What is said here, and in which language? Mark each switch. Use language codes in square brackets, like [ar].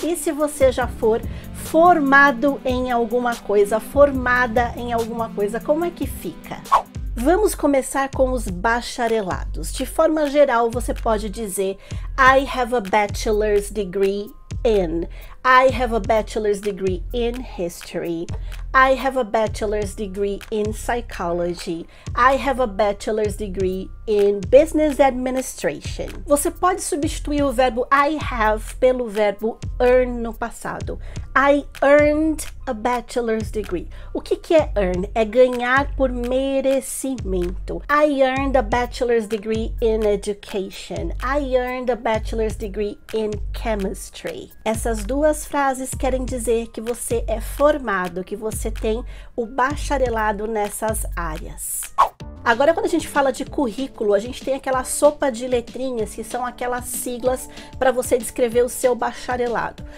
[pt] E se você já for formado em alguma coisa, formada em alguma coisa, como é que fica? Vamos começar com os bacharelados. De forma geral, você pode dizer [en] I have a bachelor's degree in. I have a bachelor's degree in history. I have a bachelor's degree in psychology. I have a bachelor's degree in business administration. [pt] Você pode substituir o verbo I have pelo verbo earn no passado. [en] I earned a bachelor's degree. [pt] O que que é earn? É ganhar por merecimento. [en] I earned a bachelor's degree in education. I earned a bachelor's degree in chemistry. [pt] Essas duas frases querem dizer que você é formado, que você tem o bacharelado nessas áreas. Agora, quando a gente fala de currículo, a gente tem aquela sopa de letrinhas, que são aquelas siglas para você descrever o seu bacharelado.